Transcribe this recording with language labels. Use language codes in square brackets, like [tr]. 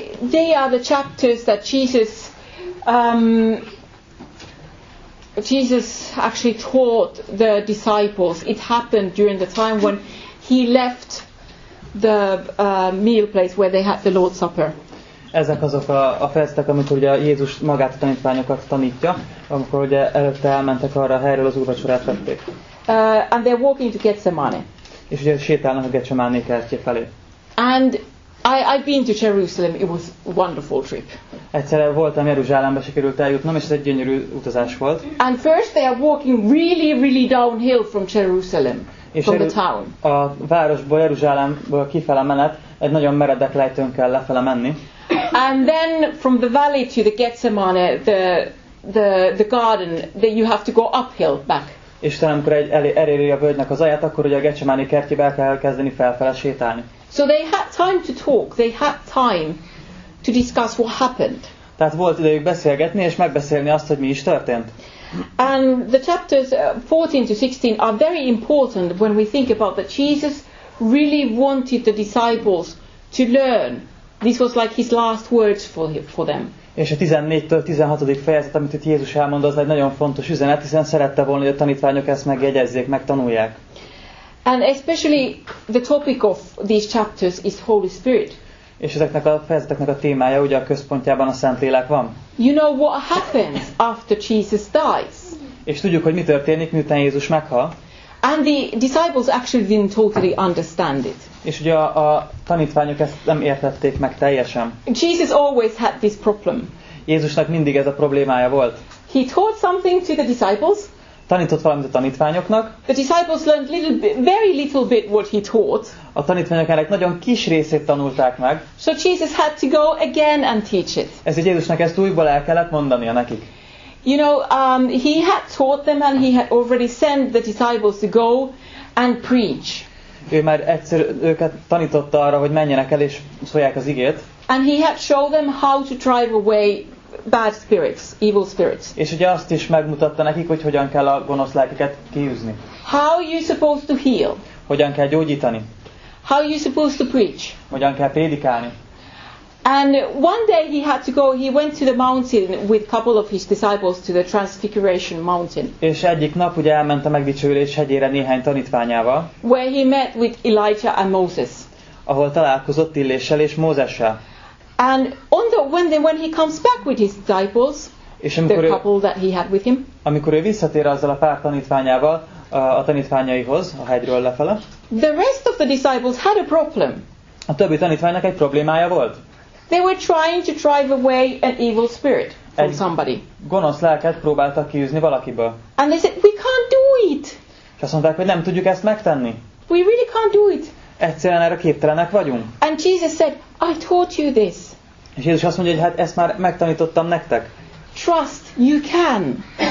[en] They are the chapters that Jesus actually taught the disciples. It happened during the time when he left the meal place where they had the Lord's Supper. [hu] ezek azok a fejezetek, amikor ugye Jézus magát a tanítványokat tanítja, amikor ugye előtte elmentek arra a helyről, az úrvacsorát vették. [en] And they're walking to Getsemane. [hu] És ugye sétálnak a Getsemane kertje felé. [en] And I've been to Jerusalem, it was a wonderful trip. [hu] Egyszer voltam Jeruzsálembe, sikerült eljutnom, és ez egy gyönyörű utazás volt. [en] And first they are walking really, really downhill from Jerusalem, from the town. [hu] A városból, Jeruzsálemből kifele menet, egy nagyon meredek lejtőn kell lefele menni. [en] And then from the valley to the Getsemane, the garden, that you have to go uphill back. [hu] És talán, amikor eléri a völgynek az aját, akkor ugye a Getsemane kertjébe el kell kezdeni felfele sétálni. [en] So they had time to talk. They had time to discuss what happened. [hu] Tehát volt idejük beszélgetni és megbeszélni azt, hogy mi is történt. [en] And the chapters 14 to 16 are very important when we think about that Jesus really wanted the disciples to learn. This was like his last words for them. [hu] És a 14-től 16. fejezet, amit itt Jézus elmond, az egy nagyon fontos üzenet, hiszen szerette volna, hogy a tanítványok ezt megjegyezzék, megtanulják. [en] And especially the topic of these chapters is Holy Spirit. [hu] És ezeknek a fejezeteknek a témája, ugye a központjában a Szentlélek van. [en] You know what happens after Jesus dies. [hu] És tudjuk, hogy mi történik, miután Jézus meghal. [en] And the disciples actually didn't totally understand it. [hu] És ugye a tanítványok ezt nem értették meg teljesen. [en] Jesus always had this problem. [hu] Jézusnak mindig ez a problémája volt. [en] He taught something to the disciples. [hu] Tanított valamit a tanítványoknak. [en] The disciples learned little bit, very little bit what he taught. [hu] A tanítványok ennek nagyon kis részét tanulták meg. [en] So Jesus had to go again and teach it. [hu] Ezért Jézusnak ezt újból el kellett mondania nekik. [en] You know, he had taught them and he had already sent the disciples to go and preach. [hu] Ő már egyszer őket tanította arra, hogy menjenek el és szólják az igét. [en] And he had shown them how to drive away bad spirits, evil spirits. [hu] És ugye azt is megmutatta nekik, hogy hogyan kell a gonosz lelkeket kiűzni. [en] How you supposed to heal? [hu] Hogyan kell gyógyítani? [en] How you supposed to preach? [hu] Hogyan kell prédikálni? [en] And one day he had to go. He went to the mountain with a couple of his disciples to the Transfiguration Mountain. [hu] És egyik nap ugye elment a Megdicsőülés hegyére néhány tanítványával. [en] Where he met with Elijah and Moses. [hu] Ahol találkozott Illéssel és Mózessel. [en] And on the when he comes back with his disciples, the couple that he had with him. [hu] Amikor ő visszatér azzal a pár tanítványával a tanítványaihoz a hegyről lefele. [en] The rest of the disciples had a problem. [hu] A többi tanítványnak egy problémája volt. [en] They were trying to drive away an evil spirit from [hu] egy [en] somebody. [hu] Gonosz lelket próbáltak kiűzni valakiből. [en] And they said, we can't do it. [hu] És azt mondták, hogy nem tudjuk ezt megtenni. [en] We really can't do it. [hu] Egyszerűen erre képtelenek vagyunk. [en] And Jesus said, I taught you this. [hu] És Jézus azt mondja, hogy hát ezt már megtanítottam nektek. [en] Trust, you can.